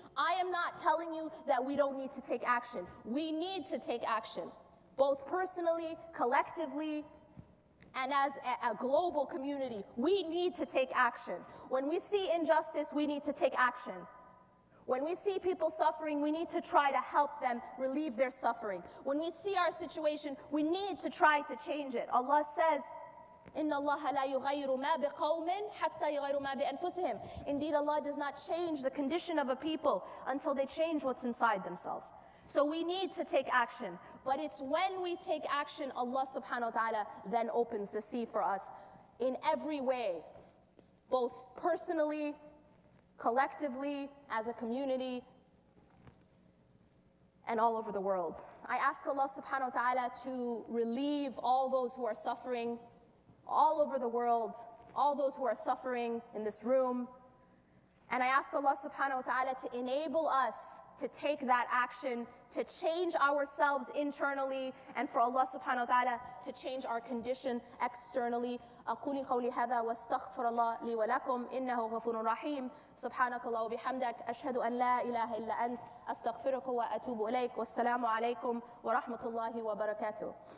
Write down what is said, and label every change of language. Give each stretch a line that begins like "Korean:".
English: I am not telling you that we don't need to take action. We need to take action, both personally, collectively, and as a global community. We need to take action. When we see injustice, we need to take action. When we see people suffering, we need to try to help them relieve their suffering. When we see our situation, we need to try to change it.
Arabic: Allah says, إِنَّ اللَّهَ لَا يُغَيِّرُ مَا بِقَوْمٍ حَتَّى يُغَيِّرُ مَا بِأَنفُسِهِمْ.
English: Indeed, Allah does not change the condition of a people until they change what's inside themselves. So we need to take action. But it's when we take action, Allah subhanahu wa ta'ala then opens the sea for us in every way, both personally, collectively, as a community, and all over the world. I ask Allah subhanahu wa ta'ala to relieve all those who are suffering all over the world, all those who are suffering in this room. And I ask Allah subhanahu wa ta'ala to enable us to take that action, to change ourselves internally, and for Allah subhanahu wa ta'ala to change our condition externally.
Arabic: أقولي قولي هذا واستغفر الله لي ولكم إنه غفور رحيم سبحانك الله وبحمدك أشهد أن لا إله إلا أنت أستغفرك وأتوب إليك والسلام عليكم ورحمة الله وبركاته.